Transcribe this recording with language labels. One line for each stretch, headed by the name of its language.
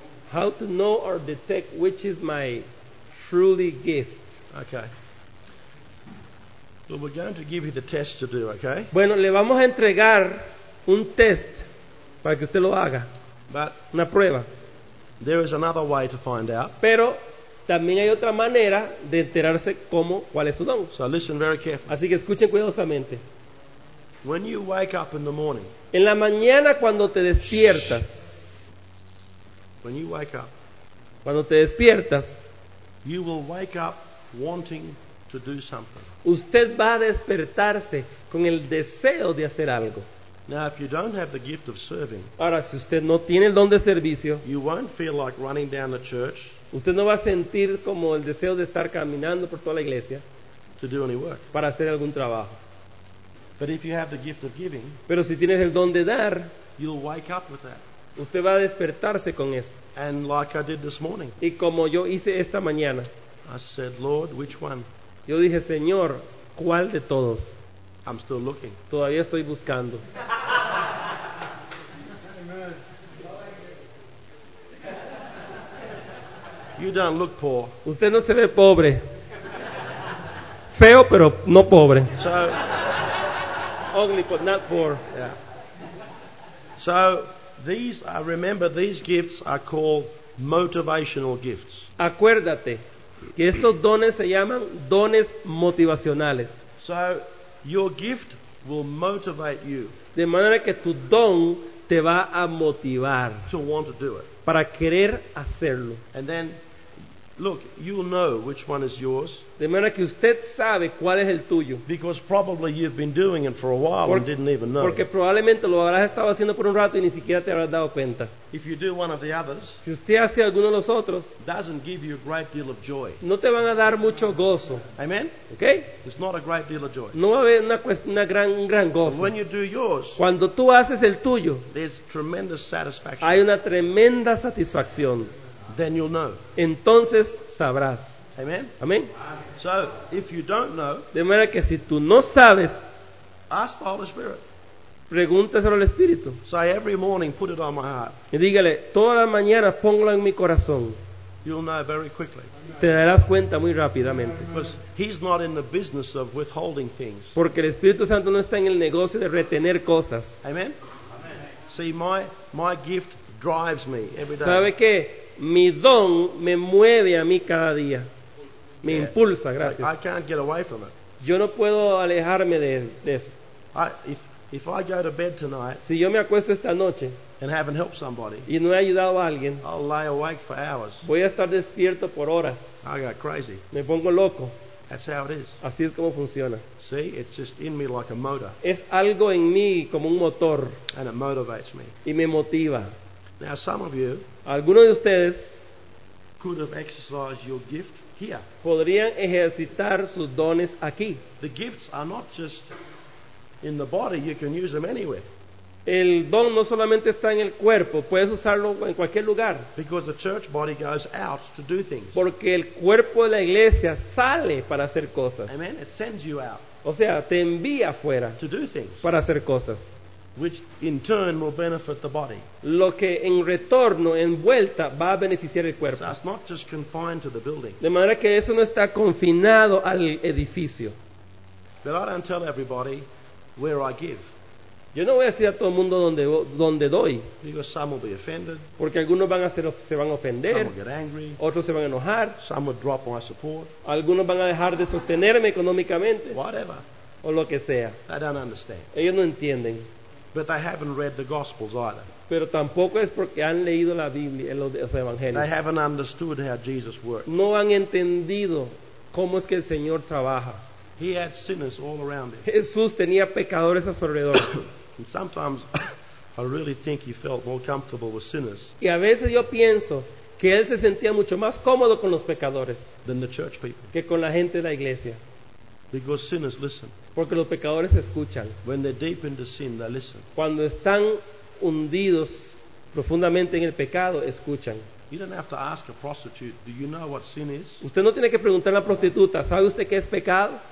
English: How to know or detect which is my truly gift? Okay. Well, we're going to give you the test to do, okay?
Spanish: Bueno, le vamos a entregar un test para que usted lo haga.
English: But
Spanish: una prueba.
English: There is another way to find out.
Spanish: Pero también hay otra manera de enterarse cómo, cuál es su don.
English: So listen very carefully.
Spanish: Así que escuchen cuidadosamente.
English: When you wake up in the morning.
Spanish: En la mañana cuando te despiertas.
English: When you wake up.
Spanish: Cuando te despiertas.
English: You will wake up wanting to do something.
Spanish: Usted va a despertarse con el deseo de hacer algo.
English: Now, if you don't have the gift of serving,
Spanish: ahora, si usted no tiene el don de servicio,
English: you won't feel like running down the church.
Spanish: Usted no va a sentir como el deseo de estar caminando por toda la iglesia
English: to do any work.
Spanish: Para hacer algún trabajo.
English: But if you have the gift of giving,
Spanish: pero si tienes el don de dar,
English: you'll wake up with that.
Spanish: Usted va a despertarse con eso.
English: And like I did this morning,
Spanish: y como yo hice esta mañana,
English: I said, Lord, which one?
Spanish: Yo dije, Señor, ¿cuál de todos?
English: I'm still looking.
Spanish: Todavía estoy buscando.
English: You don't look poor.
Spanish: Usted no se ve pobre. Feo, pero no pobre.
English: So, ugly, but not poor. Yeah. So, these, I remember, these gifts are called motivational gifts.
Spanish: Acuérdate que estos dones se llaman dones motivacionales.
English: So, your gift will motivate you.
Spanish: De manera que tu don te va a motivar.
English: To want to do it.
Spanish: Para querer hacerlo.
English: And then, look, you'll know which one is yours.
Spanish: De manera que usted sabe cuál es el tuyo.
English: Because probably you've been doing it for a while and didn't even know.
Spanish: Porque probablemente lo habrás estado haciendo por un rato y ni siquiera te habrás dado cuenta.
English: If you do one of the others,
Spanish: si usted hace alguno de los otros,
English: doesn't give you a great deal of joy.
Spanish: No te van a dar mucho gozo.
English: Amen. Okay? It's not a great deal of joy.
Spanish: No va a haber un gran gozo.
English: But when you do yours,
Spanish: cuando tú haces el tuyo,
English: there's tremendous satisfaction.
Spanish: Hay una tremenda satisfacción.
English: Then you'll know.
Spanish: Entonces sabrás.
English: Amen. Amen. So, if you don't know,
Spanish: de manera que si tú no sabes,
English: ask the Holy Spirit.
Spanish: Pregúntaselo al Espíritu.
English: Say every morning, put it on my heart.
Spanish: Y dígale, toda la mañana póngalo en mi corazón.
English: You'll know very quickly.
Spanish: Te darás cuenta muy rápidamente.
English: Because he's not in the business of withholding things.
Spanish: Porque el Espíritu Santo no está en el negocio de retener cosas.
English: Amen. Amen. See, my gift drives me every day.
Spanish: ¿Sabe qué? Mi don me mueve a mí cada día. Me yeah. impulsa, gracias.
English: I can't get away from it.
Spanish: Yo no puedo alejarme de eso.
English: If I go to bed tonight,
Spanish: si yo me acuesto esta noche
English: and haven't helped somebody,
Spanish: y no he ayudado a alguien,
English: I'll lie awake for hours.
Spanish: Voy a estar despierto por horas.
English: I got crazy.
Spanish: Me pongo loco.
English: That's how it is.
Spanish: Así es como funciona.
English: See, it's just in me like a motor.
Spanish: Es algo en mí como un motor.
English: And it motivates me.
Spanish: Y me motiva.
English: Now, some of you,
Spanish: algunos de ustedes,
English: could have exercised your gift here.
Spanish: Podrían ejercitar sus dones aquí.
English: The gifts are not just in the body; you can use them anywhere.
Spanish: El don no solamente está en el cuerpo; puedes usarlo en cualquier lugar.
English: Because the church body goes out to do things.
Spanish: Porque el cuerpo de la iglesia sale para hacer cosas.
English: Amen. It sends you out.
Spanish: O sea, te envía fuera.
English: To do things.
Spanish: Para hacer cosas.
English: Which in turn will benefit the body.
Spanish: Lo que en retorno, en vuelta, va a beneficiar el cuerpo.
English: So it's not just confined to the building.
Spanish: De manera que eso no está confinado al edificio.
English: But I don't tell everybody where I give.
Spanish: Yo no voy a decir a todo el mundo donde doy.
English: Because some will be offended.
Spanish: Porque algunos se van a ofender.
English: Some will get angry.
Spanish: Otros se van a enojar.
English: Some will drop my support.
Spanish: Algunos van a dejar de sostenerme económicamente.
English: Whatever.
Spanish: O lo que sea.
English: They don't understand.
Spanish: Ellos no entienden.
English: But they haven't read the Gospels either.
Spanish: Pero tampoco es porque han leído la Biblia, los evangelios.
English: They haven't understood how Jesus works.
Spanish: No han entendido cómo es que el Señor trabaja.
English: He had sinners all around him.
Spanish: Jesús tenía pecadores a su alrededor.
English: And sometimes I really think he felt more comfortable with sinners.
Spanish: Y a veces yo pienso que él se sentía mucho más cómodo con los pecadores
English: than the church people.
Spanish: Que con la gente de la iglesia.
English: Because sinners listen.
Spanish: Porque los pecadores escuchan.
English: When they're deep into sin, they listen.
Spanish: Cuando están hundidos profundamente en el pecado, escuchan.
English: You don't have to ask a prostitute, do you know what sin is?
Spanish: Usted no tiene que preguntar a la prostituta, ¿sabe usted qué es pecado?